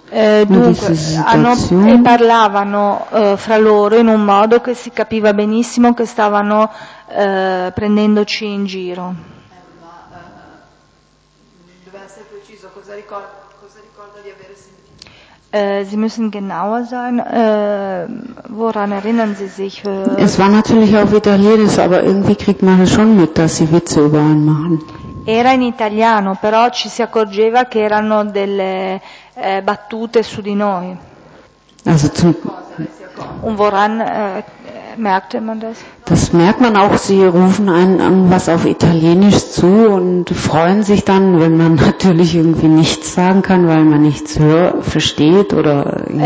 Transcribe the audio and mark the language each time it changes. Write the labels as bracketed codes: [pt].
[it] Dunque, e parlavano fra loro in un modo che si capiva benissimo che stavano prendendoci in giro. Doveva essere preciso, cosa ricorda di aver sentito? [de] Sie müssen genauer sein, woran erinnern Sie sich? Es war natürlich auf Italienisch, aber irgendwie kriegt man schon mit, dass sie Witze über einen machen. [it] Era in italiano, però ci si accorgeva che erano delle battute su di noi. [de] Also zum und woran merkte man das? Das merkt man auch, sie rufen einen irgendwas auf Italienisch zu und freuen sich dann, wenn man natürlich irgendwie nichts sagen kann, weil man nichts hört, versteht oder